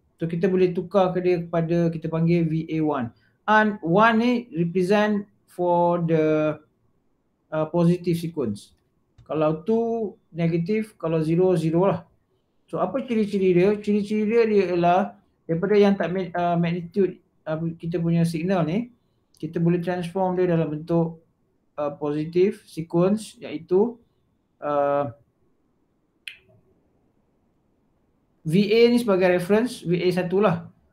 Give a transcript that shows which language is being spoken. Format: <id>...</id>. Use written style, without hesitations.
<ms>So kita boleh tukar ke dia kepada kita panggil VA1.</ms> <en>And one ni represent for the positive sequence.</en> <ms>Kalau 2 negatif, kalau 0 0 lah. So apa ciri-ciri dia? Ciri-ciri dia ialah daripada yang tak magnitude kita punya signal ni, kita boleh transform dia dalam bentuk positive sequence, iaitu VA ni sebagai reference, VA1 lah.</ms>